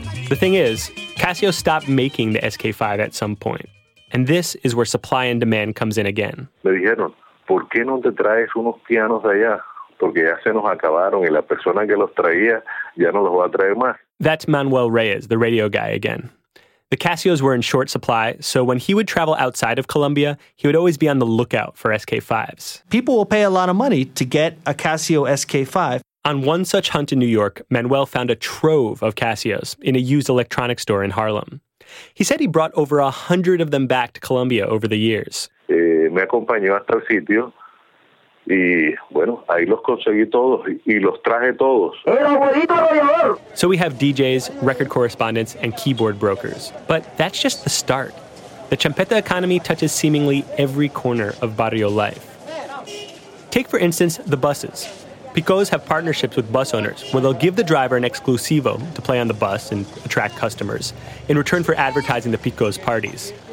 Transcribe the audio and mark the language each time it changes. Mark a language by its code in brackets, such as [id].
[en] The thing is, Casio stopped making the SK5 at some point. And this is where supply and demand comes in again. [es] Me dijeron, ¿por qué no te traes unos pianos allá? Porque ya se nos acabaron y la persona que los traía ya no los va a traer más. [en] That's Manuel Reyes, the radio guy again. The Casios were in short supply, so when he would travel outside of Colombia, he would always be on the lookout for SK5s. People will pay a lot of money to get a Casio SK5. On one such hunt in New York, Manuel found a trove of Casios in a used electronics store in Harlem. He said he brought over 100 of them back to Colombia over the years. [es] Me acompañó hasta el sitio y bueno, ahí los conseguí todos y los traje todos. El abuelito rayador. [en] So we have DJs, record correspondents, and keyboard brokers. But that's just the start. The champeta economy touches seemingly every corner of barrio life. Take, for instance, the buses. Picos have partnerships with bus owners where they'll give the driver an exclusivo to play on the bus and attract customers in return for advertising the Picos parties.